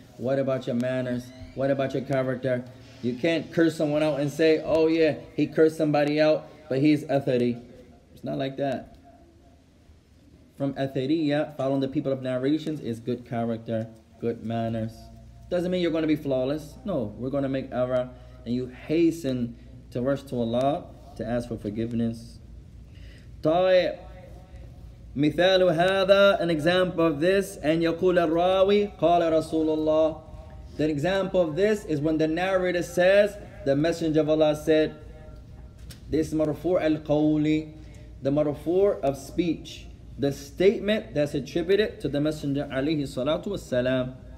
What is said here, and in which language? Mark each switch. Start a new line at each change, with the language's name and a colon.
English: What about your manners? What about your character? You can't curse someone out and say, oh yeah, he cursed somebody out, but he's athari. It's not like that. From athariya, following the people of narrations, is good character, good manners. Doesn't mean you're going to be flawless. No, we're going to make error. And you hasten to rush to Allah to ask for forgiveness.
Arabic: طيب مثال هذا,
English: an example of this, and
Arabic: يقول الراوي قال رسول الله.
English: The example of this is when the narrator says, the Messenger of Allah said, this مرفوع القولي, the مرفوع of speech, the statement that's attributed to the Messenger
Arabic: عليه الصلاة والسلام.